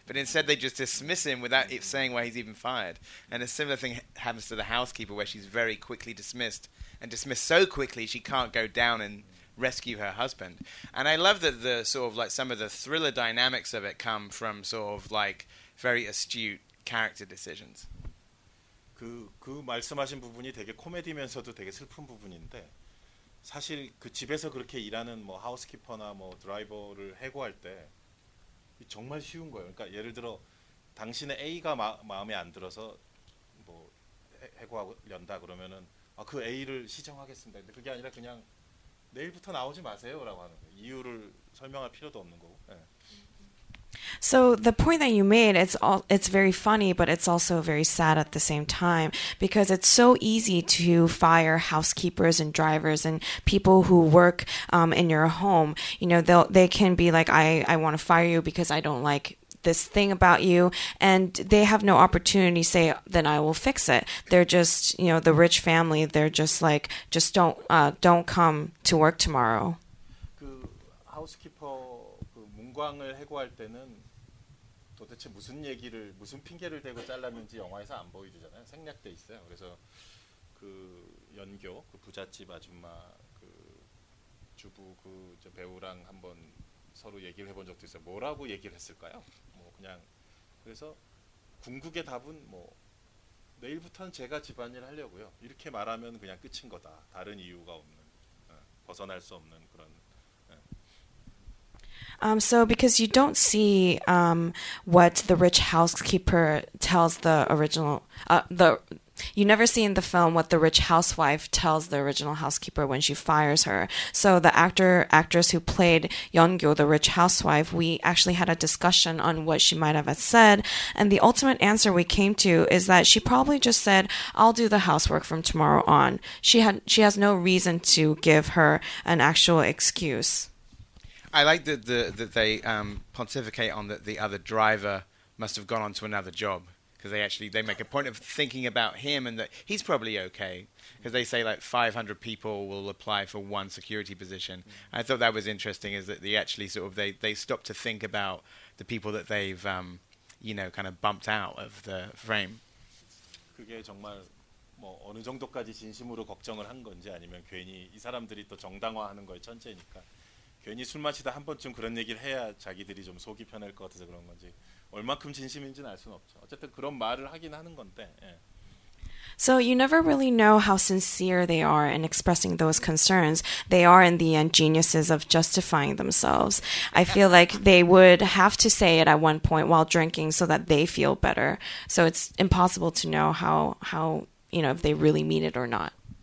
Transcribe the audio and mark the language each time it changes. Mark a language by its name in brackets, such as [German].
[English] But instead, they just dismiss him without saying why he's even fired. And a similar thing happens to the housekeeper, where she's very quickly dismissed. And dismissed so quickly, she can't go down and rescue her husband. And I love that the sort of like some of the thriller dynamics of it come from sort of like very astute character decisions. [Korean] 그 말씀하신 부분이 되게 코미디면서도 되게 슬픈 부분인데 사실 그 집에서 그렇게 일하는 뭐 하우스키퍼나 뭐 드라이버를 해고할 때 정말 쉬운 거예요. 그러니까 예를 들어 당신의 A가 마음에 안 들어서 뭐 해고하려다 그러면은 아 그 A를 시정하겠습니다. 근데 그게 아니라 그냥 내일부터 나오지 마세요라고 하는 거예요. 이유를 설명할 필요도 없는 거고. 네. [English] So the point that you made, it's very funny, but it's also very sad at the same time, because it's so easy to fire housekeepers and drivers and people who work in your home. You know, they can be like, I want to fire you because I don't like this thing about you, and they have no opportunity to say, then I will fix it. They're just, you know, the rich family, they're just like, just don't come to work tomorrow. [Korean] 그 housekeeper 문광을 해고할 때는 도대체 무슨 얘기를 무슨 핑계를 대고 잘랐는지 영화에서 안 보여주잖아요. 생략돼 있어요. 그래서 그 연교 그 부잣집 아줌마 그 주부 그 저 배우랑 한번 서로 얘기를 해본 적도 있어요. 뭐라고 얘기를 했을까요? 뭐 그냥 그래서 궁극의 답은 뭐 내일부터는 제가 집안일 하려고요. 이렇게 말하면 그냥 끝인 거다. 다른 이유가 없는 벗어날 수 없는 그런. [English] So because you don't see what the rich housekeeper tells the original, you never see in the film what the rich housewife tells the original housekeeper when she fires her. So the actress who played Yeon-gyo, the rich housewife, we actually had a discussion on what she might have said. And the ultimate answer we came to is that she probably just said, I'll do the housework from tomorrow on. She has no reason to give her an actual excuse. I like that they pontificate on that the other driver must have gone on to another job because they make a point of thinking about him and that he's probably okay because they say like 500 people will apply for one security position. Mm-hmm. I thought that was interesting is that they actually sort of they stop to think about the people that they've you know kind of bumped out of the frame. [Korean] 그게 정말 뭐 어느 정도까지 진심으로 걱정을 한 건지 아니면 괜히 이 사람들이 또 정당화하는 거에 천재니까. 괜히 술 마시다 한 번쯤 그런 얘기를 해야 자기들이 좀 속이 편할 것 같아서 그런 건지 얼마큼 진심인지는 알 수는 없죠. 어쨌든 그런 말을 하긴 하는 건데. 예. [English] So you never really know how sincere they are in expressing those concerns. They are in the end geniuses of justifying themselves. I feel like they would have to say it at one point while drinking so that they feel better. So it's impossible to know how you know if they really mean it or not.